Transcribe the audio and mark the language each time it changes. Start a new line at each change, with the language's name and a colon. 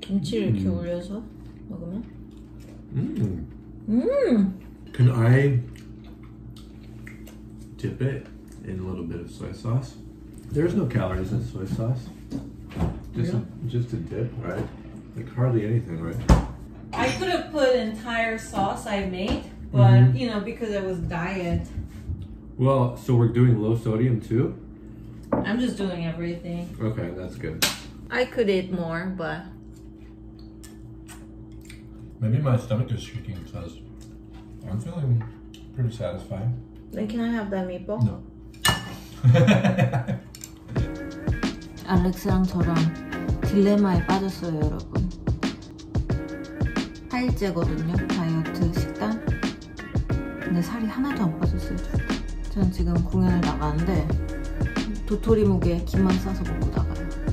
Korean: 김치를 이렇게 올려서 먹으면.
English: Can I dip it in a little bit of soy sauce? There's no calories in soy sauce. Just a dip, right? Like hardly anything, right? I could have put entire sauce I made, but you know, because it was diet. Well, so we're doing low sodium too. I'm just doing everything. Okay, that's good. I could eat more, but maybe my stomach is shrinking because I'm feeling pretty satisfied. Then can I have that meatball? No.
Korean: Alex랑 저랑 딜레마에 빠졌어요, 여러분. 8일째거든요, 다이어트 식단. 근데 살이 하나도 안 빠졌어요. 전 지금 공연을 나가는데. 도토리 무게 김만 싸서 먹고 나가요.